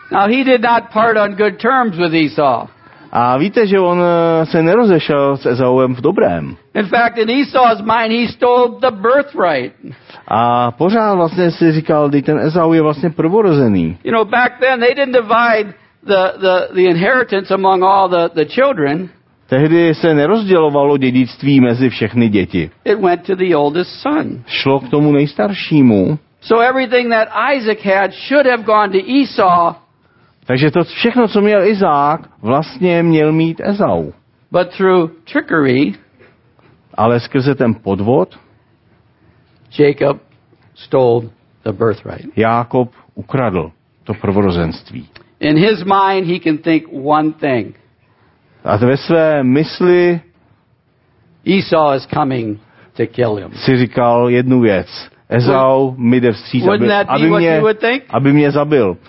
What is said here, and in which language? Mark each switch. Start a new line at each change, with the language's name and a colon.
English: Now he did not part on good terms with Esau.
Czech: A víte, že on se nerozešel s Ezauem v dobrém.
English: In fact, in Esau's mind, he stole the birthright.
Czech: A pořád vlastně si říkal, že ten Ezau je vlastně prvorozený.
English: You know, back then they didn't divide the inheritance among all the children.
Czech: Tehdy se nerozdělovalo dědictví mezi všechny děti.
English: It went to the oldest son.
Czech: Šlo k tomu nejstaršímu.
English: So everything that Isaac had should have gone to Esau.
Czech: Takže to všechno, co měl Izák, vlastně měl mít Ezau.
English: But through trickery,
Czech: ale skrze ten podvod,
English: Jacob stole the birthright.
Czech: Jákob ukradl to prvorozenství.
English: In his mind he can think one thing.
Czech: A ve své mysli
English: Esau is coming to kill him.
Czech: Si říkal jednu věc. Ezau mi jde vstříc, aby mě zabil.